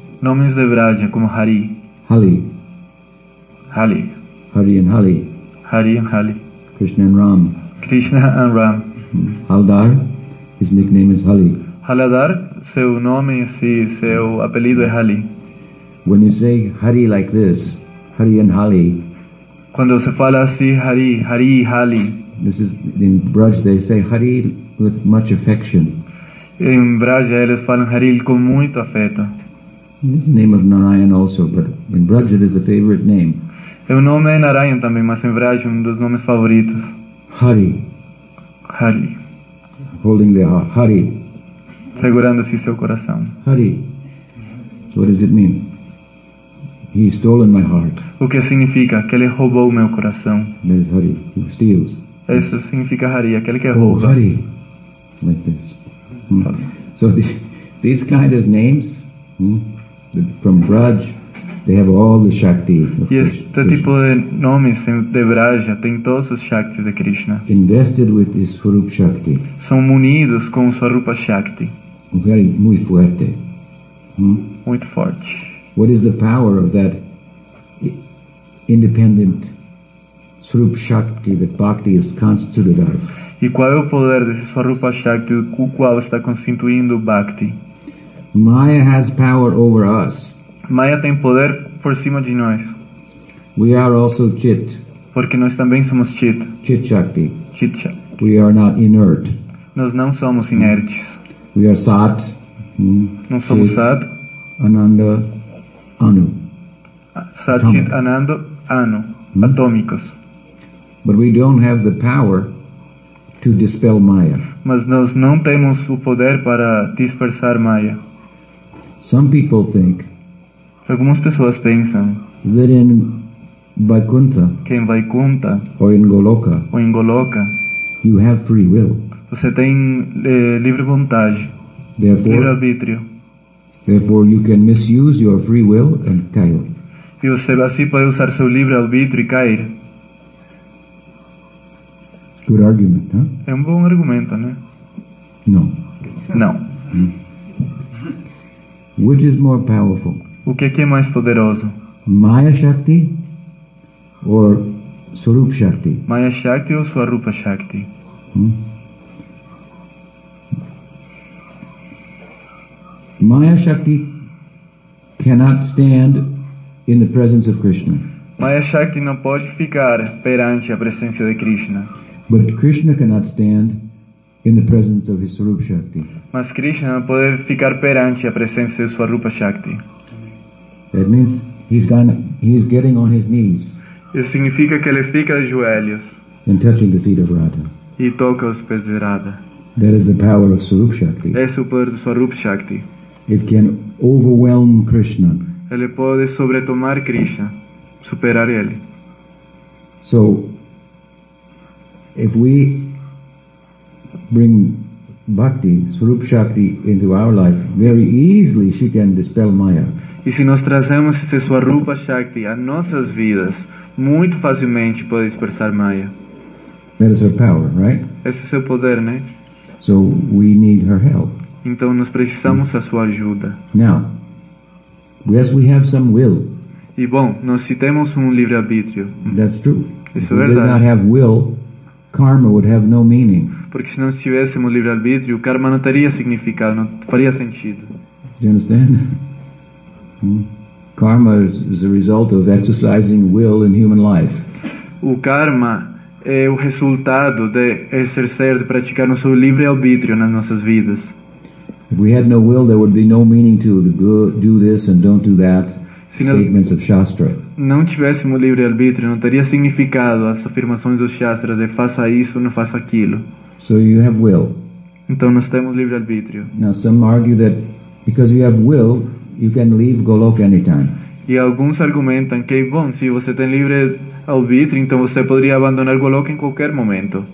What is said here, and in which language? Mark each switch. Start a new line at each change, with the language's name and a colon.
Portuguese: Nomes de Braj, como Hari. Hali. Hali.
English: Hari and Hali. Hari and Hali. Krishna and Ram. Krishna and Ram. Haldar, his nickname is Hali.
Portuguese: Haldar, seu nome e seu apelido é Hali.
English: When you say Hari like this, Hari and Hali.
Portuguese: Quando se fala assim, Hari, Hari e Hali.
English: This is in Braj, they say Hari with much affection.
Portuguese: Em Braj, eles falam Hari com muito afeto.
English: This is the name of Narayan also, but in Braj it is a favorite name.
Portuguese: É o nome é Narayan também, mas em Braj é dos nomes favoritos. Hari. Hari.
English: Holding the Hari.
Portuguese: Segurando-se seu coração.
English: Hari. What does it mean? He's stolen my heart.
Portuguese: O que significa? Que ele roubou meu coração.
English: That is Hari. Who steals.
Portuguese: Isso significa Hari, aquele que oh, rouba.
English: Hari. Like this. Hari. So these kind of names... From Braj, they have all the shakti. Yes, the
Portuguese: tipo de nomes de Braj tem todos os shaktis de Krishna.
English: Invested with his swarup shakti.
Portuguese: São munidos com swarupa shakti.
English: Very
Spanish: muy fuerte.
Portuguese: Muito forte.
English: What is the power of that independent swarup shakti that Bhakti is constituted of?
Portuguese: E qual é o poder desse swarupa shakti com o qual está constituindo Bhakti?
English: Maya has power over us.
Portuguese: Maya tem poder por cima de nós.
English: We are also chit.
Portuguese: Porque nós também somos chit.
English: Chit shakti.
Portuguese: Chit shakti.
English: We are not inert.
Portuguese: Nós não somos inertes.
English: We are sat.
Portuguese: Não somos sat.
English: Ananda, anu.
Portuguese: Sat chit ananda anu. Atômicos.
English: But we don't have the power to dispel Maya.
Portuguese: Mas nós não temos o poder para dispersar Maya.
English: Some people think
Portuguese: algumas pessoas pensam
English: that in Vaikuntha,
Portuguese: que em Vaikuntha ou em Goloka
English: you have free will.
Portuguese: Você tem livre vontade, livre arbítrio.
English: Therefore you can misuse your free will and
Portuguese: cair. E você assim pode usar seu livre arbítrio e cair.
English: Good argument, huh?
Portuguese: É um bom argumento, né?
English: No.
Portuguese: Não. Não.
English: Which is more powerful?
Portuguese: O que é mais poderoso?
English: Maya Shakti or Swarup Shakti?
Portuguese: Maya Shakti ou Swarupa Shakti?
English: Maya Shakti cannot stand in the presence of Krishna.
Portuguese: Maya Shakti não pode ficar perante a presença de Krishna.
English: But Krishna cannot stand in the presence of his Swarupa Shakti.
Portuguese: Mas Krishna não pode ficar perante a presença de Swarupa Shakti.
English: That means he's getting on his knees.
Portuguese: Isso significa que ele fica de joelhos.
English: And touching the feet of Radha.
Portuguese: E toca os pés de Radha.
English: That is the power of Swarupa Shakti.
Portuguese: Esse é o poder de Swarupa Shakti.
English: It can overwhelm Krishna.
Portuguese: Ele pode sobretomar Krishna, superar ele.
English: So, if we bring Bhakti, Swarupa Shakti into our life, very easily she can dispel Maya.
Portuguese: E se nós trazemos esse Swarupa Shakti a nossas vidas, muito facilmente pode dispersar Maya.
English: That is her power, right?
Portuguese: Esse é seu poder, né?
English: So we need her help.
Portuguese: Então nós precisamos a sua ajuda.
English: Now, Yes, we have some will.
Portuguese: E bom, nós se temos livre-arbítrio.
English: That's true.
Portuguese: Isso é verdade.
English: If we did not have will, karma would have no meaning.
Portuguese: Porque se não tivéssemos livre-arbítrio, o karma não teria significado, não faria sentido.
English: Do you understand? Karma is a result of exercising will in human life.
Portuguese: O karma é o resultado de exercer, de praticar nosso livre-arbítrio nas nossas vidas.
English: If we had no will, there would be no meaning to the good, do this and don't do that statements of Shastra.
Portuguese: Não tivéssemos livre-arbítrio, não teria significado as afirmações dos Shastras de faça isso, não faça aquilo.
English: So you have will.
Portuguese: Então nós temos livre-arbítrio.
English: Now some argue that because you have will, you can leave Goloka anytime.
Portuguese: E alguns argumentam que, bom, se você tem livre-arbítrio, então você poderia abandonar Goloka em qualquer momento.